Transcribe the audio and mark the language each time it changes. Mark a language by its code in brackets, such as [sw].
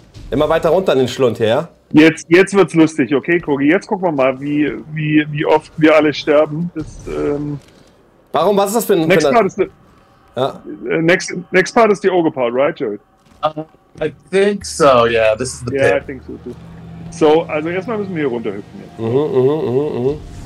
[de] Immer weiter runter in den Schlund hier, ja? Jetzt wird's lustig, okay, Krogi? Jetzt gucken wir mal, wie oft wir alle sterben. Das, Warum? Was ist das für ein... [en] Next part is the ogre part, right, Jared? I think so, yeah. This is the pit. Yeah, I think so, too. [de] So, also erstmal müssen wir hier runterhüpfen jetzt.